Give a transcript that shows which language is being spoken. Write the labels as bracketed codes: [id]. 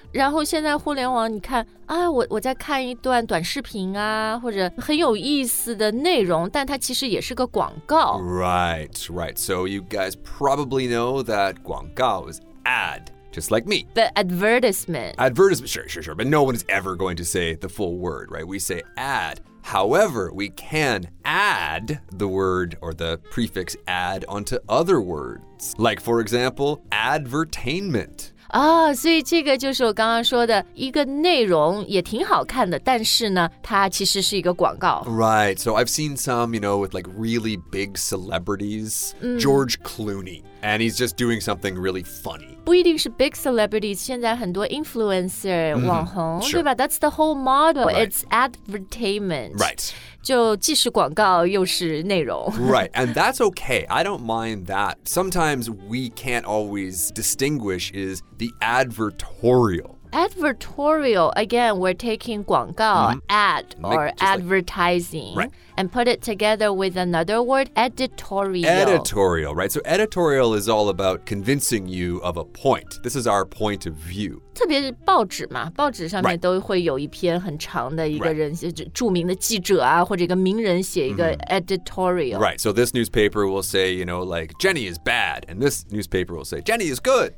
[zh] 然后现在互联网你看啊，我在看一段短视频啊，或者很有意思的内容，但它其实也是个广告。 [en] Right, right. So you guys probably know that 广告 is ad. Just like me. The advertisement. Advertisement, sure, sure, sure. But no one is ever going to say the full word, right? We say ad. However, we can add the word or the prefix ad onto other words. Like, for example, advertainment. [zh] 所以这个就是我刚刚说的一个内容也挺好看的，但是呢它其实是一个广告。 [en] Right, so I've seen some, you know, with like really big celebrities、George Clooney, and he's just doing something really funny. [zh] 不一定是 big celebrities, 现在很多 influencer、网红、 [en] sure. [zh] 对吧？ [en] That's the whole model,、it's advertisement. Right. [zh] 就既是广告又是内容。 [en] Right, and that's okay, I don't mind that. Sometimes we can't always distinguish isThe advertorial. Advertorial, again, we're taking 广告、ad or advertising、 like, right. and put it together with another word, editorial. Editorial, right. So editorial is all about convincing you of a point. This is our point of view. [zh] 特别是报纸嘛，报纸上面都会有一篇很长的一个人、著名的记者啊，或者一个名人写一个 editorial.、 [en] Right, so this newspaper will say, you know, like, Jenny is bad. And this newspaper will say, Jenny is good.